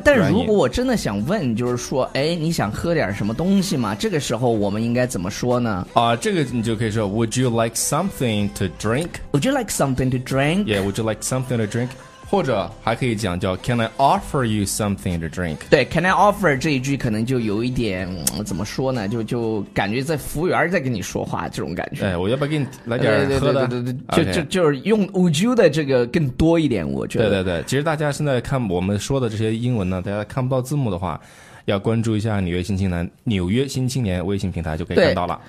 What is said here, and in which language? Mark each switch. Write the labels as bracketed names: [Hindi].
[Chinese] 但如果我真的想问，就是说，哎，你想喝点什么东西吗？这个时候我们应该怎么说呢？这个你就可以说 ， [English] Would you like something to drink? Would you like something to drink? Yeah, would you like something to drink? [Chinese] 或者还可以讲叫 [English] Can I offer you something to drink? [Chinese] 对 ，Can I offer 这一句可能就有一点、怎么说呢？就感觉在服务员在跟你说话这种感觉。哎，我要不要给你来点喝的？对对对对对 [English] okay. [Chinese] 就是用 Would you 的这个更多一点，我觉得。对对对，其实大家现在看我们说的这些英文呢，大家看不到字幕的话，要关注一下纽约新青年微信平台就可以看到了。